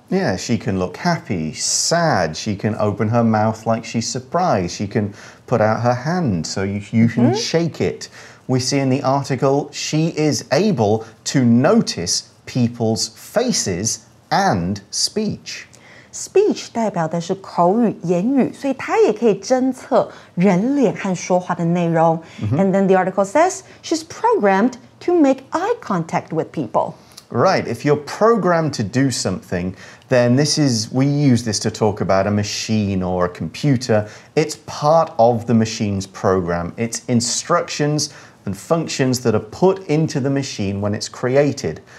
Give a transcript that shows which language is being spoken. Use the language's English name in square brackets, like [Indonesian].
[English] Yeah, she can look happy, sad. She can open her mouth like she's surprised. She can put out her hand so you can shake it. We see in the article she is able to notice people's faces and speech. [Chinese] Speech 代表的是口语、言语，所以它也可以侦测人脸和说话的内容。 [English] And then the article says, she's programmed to make eye contact with people. Right, if you're programmed to do something, then we use this to talk about a machine or a computer. It's part of the machine's program. It's instructions and functions that are put into the machine when it's created.